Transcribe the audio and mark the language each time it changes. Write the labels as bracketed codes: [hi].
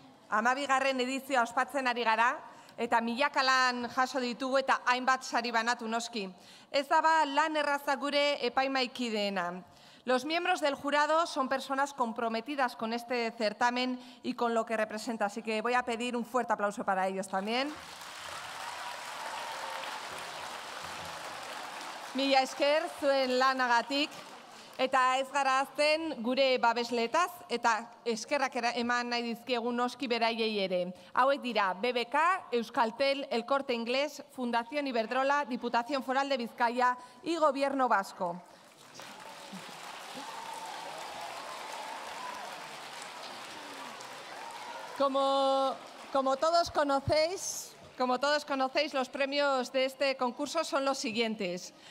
[eu] Amabigarren edizioa ospatzen ari gara, eta milaka lan jaso ditugu eta hainbat sari banatu noski. Ez daba lan erraza gure epaimaikideena. [es] Los miembros del jurado son personas comprometidas con este certamen y con lo que representa, así que voy a pedir un fuerte aplauso para ellos también. [eu] Mila esker zuen lanagatik. Eta ez gara azten gure babesletaz, eta eskerrak eman nahi dizkiegun noski beraiei ere. Hauek dira BBK, Euskaltel, El Corte Inglés, Fundación Iberdrola, Diputación Foral de Bizkaia y Gobierno Vasco. [es] Como todos conocéis, los premios de este concurso son los siguientes.